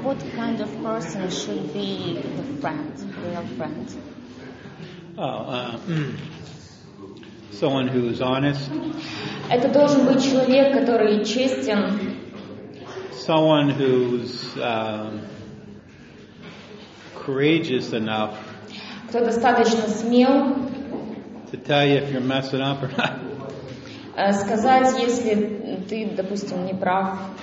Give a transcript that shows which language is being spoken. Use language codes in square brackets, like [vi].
[en] What kind of person should be the friend, real friend? Someone who is honest. [ru] Это должен быть человек, который честен. [en] Someone who's courageous enough. [ru] Кто достаточно смел. [en] To tell you if you're messing up or not. [ru] Сказать, если ты, допустим, не прав.